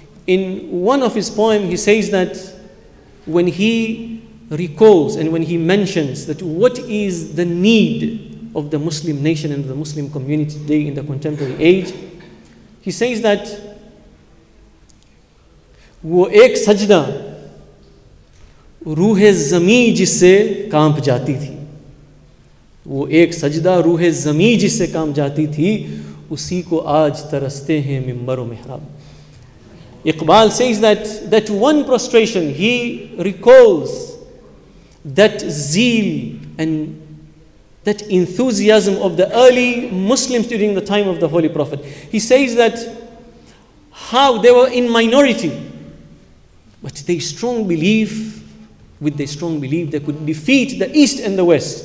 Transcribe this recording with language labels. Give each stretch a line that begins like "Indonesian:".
English: In one of his poems, he says that when he recalls and when he mentions that what is the need of the Muslim nation and the Muslim community today in the contemporary age, he says that
Urdu: wo ek sajda ruhe zameen jisse kaanp jaati thi. وہ ایک سجدہ روح زمین جس سے کام جاتی تھی اسی کو آج ترستے ہیں ممبر و محراب.
English: Iqbal says that one prostration, he recalls that zeal and that enthusiasm of the early Muslims during the time of the Holy Prophet. He says that how they were in minority, but With their strong belief, they could defeat the East and the West.